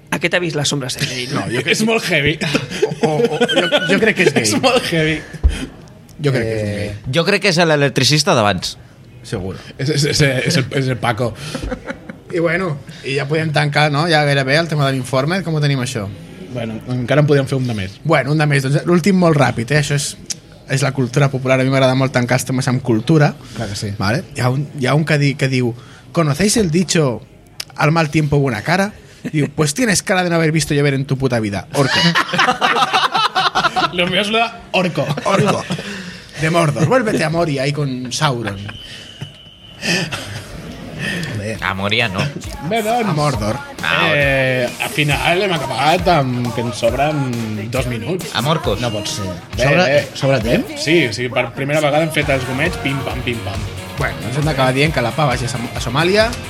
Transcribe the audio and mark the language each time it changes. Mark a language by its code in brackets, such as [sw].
[es] ¿A qué te habéis las sombras? [ca] No, es molt heavy. [es] Yo creo que es gay. [ca] Es molt heavy. [es] Yo creo que es gay. Yo creo que es el electricista d'abans. Seguro. Es el Paco. Y bueno, y ya podíem tancar, ¿no? [ca] Ya gairebé el tema de l'informe. ¿Cómo tenim això? Bueno, encara en podíem fer un de més. Bueno, un de més. Doncs l'últim molt ràpid, ¿eh? Això és la cultura popular. A mi m'agrada molt tancar els temes amb cultura. Clar que sí. Vale? Hi ha un que diu... [es] ¿Conocéis el dicho al mal tiempo buena cara? Digo, pues tienes cara de no haber visto llover en tu puta vida. Orco. Lo mío es lo de orco. Orco. De Mordor. Vuélvete a Moria ahí con Sauron. A Moria no. Verón. A Mordor. [ca] Al final hem acabat amb que ens sobren 2 minuts. [es] A Morcos. [ca] No pot ser. Sobre temps? Sí, per primera vegada hem fet els gomets pim pam pim pam. Bueno, ens hem d'acabar dient que la pa vagi a Somàlia.